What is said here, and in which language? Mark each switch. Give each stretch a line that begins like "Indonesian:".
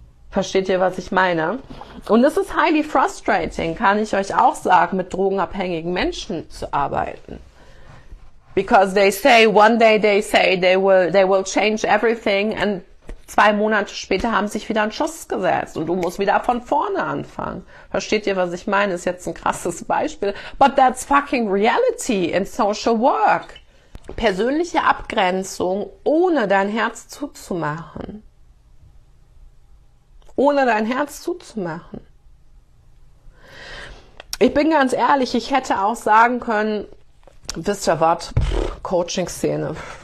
German: Versteht ihr, was ich meine? Und es ist
English: highly frustrating,
German: kann ich euch auch sagen, mit drogenabhängigen Menschen zu arbeiten.
English: Because they say, one day they say, they will change everything
German: and 2 Monate später haben sich wieder einen Schuss gesetzt und du musst wieder von vorne anfangen. Versteht ihr, was ich meine? Ist jetzt ein krasses Beispiel.
English: But that's fucking reality in social work.
German: Persönliche Abgrenzung, ohne dein Herz zuzumachen. Ohne dein Herz zuzumachen. Ich bin ganz ehrlich, ich hätte auch sagen können, wisst ihr was? Coaching-Szene.